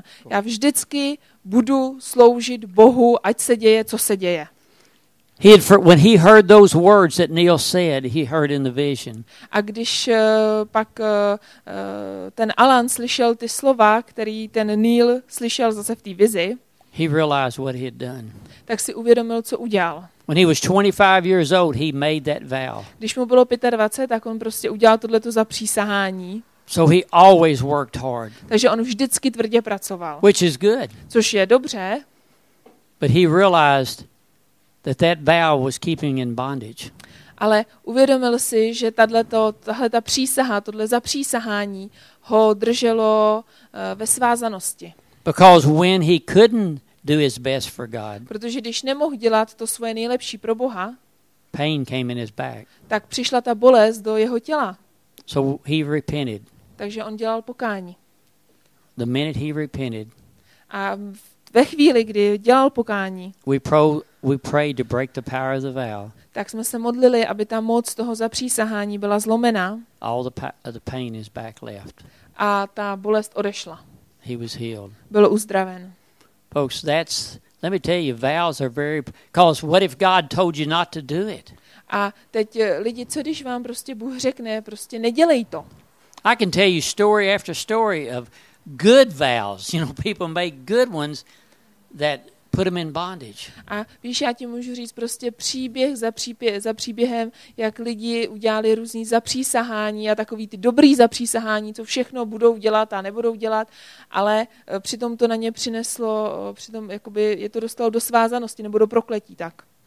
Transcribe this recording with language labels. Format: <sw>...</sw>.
<cs>Já vždycky budu sloužit Bohu, ať se děje, co se děje.</cs> <en>When he heard those words that Neil said, he heard in the vision.</en> <cs>A když pak ten Alan slyšel ty slova, který ten Neil slyšel zase v té vizi,</cs> <en>he realized what he had done.</en> <cs>Tak si uvědomil, co udělal.</cs> <en>When he was 25 years old, he made that vow.</en> <cs>Když mu bylo 25, tak on prostě udělal tohleto zapřísahání.</cs> <en>So he always worked hard.</en> <cs>Takže on vždycky tvrdě pracoval.</cs> <en>Which is good.</en> <cs>Což je dobře.</cs> <en>But he realized that vow was keeping in bondage.</en> <cs>Ale uvědomil si, že tahleta přísaha, tohle zapřísahání ho drželo ve svázanosti.</cs> <en>Because when he couldn't do his best for God.</en> <cs>Protože když nemohl dělat to svoje nejlepší pro Boha.</cs> <en>Pain came in his back.</en> <cs>Tak přišla ta bolest do jeho těla.</cs> <en>So he repented.</en> <cs>Takže on dělal pokání.</cs> <en>The minute he repented.</en> <cs>A ve chvíli, kdy dělal pokání.</cs> <en>We prayed to break the power of the vow.</en> <cs>Tak jsme se modlili, aby ta moc toho zapřísahání byla zlomena.</cs> <en>All the pain is back left.</en> <cs>A ta bolest odešla.</cs> <en>He was healed.</en> <cs>Byl uzdraven.</cs> <en>Folks, let me tell you, vows are very, because what if God told you not to do it?</en> <cs>A teď lidi, co když vám prostě Bůh řekne, prostě nedělej to.</cs> <en>I can tell you story after story of good vows. You know, people make good ones that put them in bondage.</en> <cs>A víš, já ti můžu říct prostě příběh za příběhem, jak lidi udělali různý zapřísahání a takový ty dobrý zapřísahání, co všechno budou dělat a nebudou dělat, ale přitom to na ně přineslo, přitom jakoby je to dostalo do svázanosti nebo do prokletí, tak.</cs>